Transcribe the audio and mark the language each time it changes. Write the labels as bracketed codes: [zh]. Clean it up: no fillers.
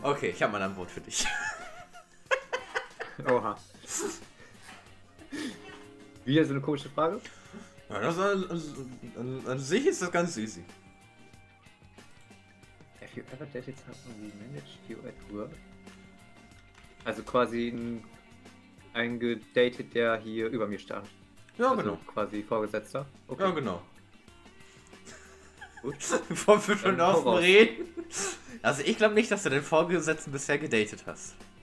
[de] Okay, ich habe mal ein Wort für dich. Oha. Wieder so eine komische Frage? Ja, das an sich ist das ganz easy. [en] Have you ever dated someone who managed you at work? [de] Also quasi ein gedatet, der hier über mir stand. Ja, also genau. Quasi Vorgesetzter. Okay. Ja, genau. Bevor wir schon offen reden. Also ich glaube nicht, dass du den Vorgesetzten bisher gedatet hast.